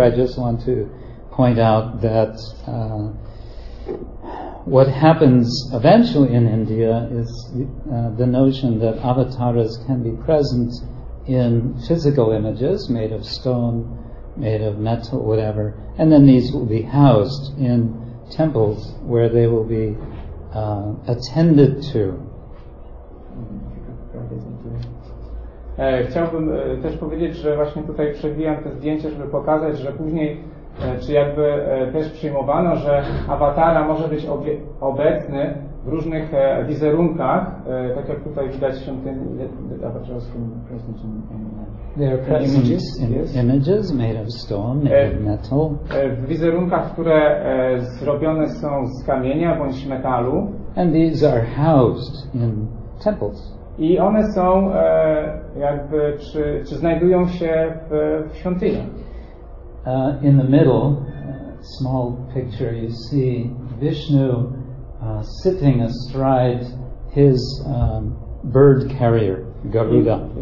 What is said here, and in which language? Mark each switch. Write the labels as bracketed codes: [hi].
[en] I just want to point out that what happens eventually in India is the notion that avatars can be present in physical images made of stone, made of metal, whatever, and then these will be housed in temples where they will be attended to. [pl] Chciałbym też powiedzieć, że właśnie tutaj przewijam te zdjęcia, żeby pokazać, że później, czy jakby też przyjmowano, że awatara może być obecny w różnych wizerunkach, tak jak tutaj widać się tym awatarskim prezentem. [en] There are images, images made of stone, made of metal. [pl] W wizerunkach, które zrobione są z kamienia bądź metalu. [en] And these are housed in temples. [pl] I one są jakby, czy znajdują się w świątyni. [en] In the middle, small picture, you see Vishnu sitting astride his bird carrier, Garuda.